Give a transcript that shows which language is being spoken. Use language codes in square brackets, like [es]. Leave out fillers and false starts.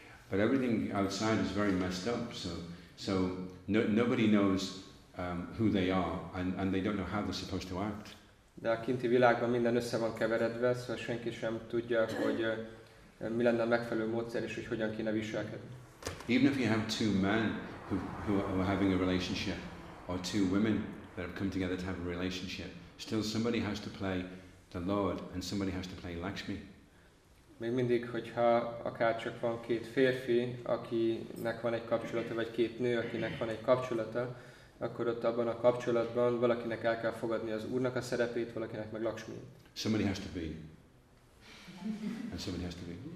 [en] But everything outside is very messed up, so nobody knows who they are, and they don't know how they're supposed to act. [hu] De a kinti világban minden össze van keveredve, szóval senki sem tudja, hogy mi lenne a megfelelő módszer, és hogy hogyan kéne viselkedni. [en] Even if you have two men who are having a relationship, or two women that have come together to have a relationship, still somebody has to play the Lord and somebody has to play Lakshmi. [hu] Még mindig, hogyha akár csak van két férfi, akinek van egy kapcsolata, vagy két nő, akinek van egy kapcsolata, akkor ott abban a kapcsolatban valakinek el kell fogadni az Úrnak a szerepét, valakinek meg Lakshmi. [en] Somebody has to be. And somebody has to be.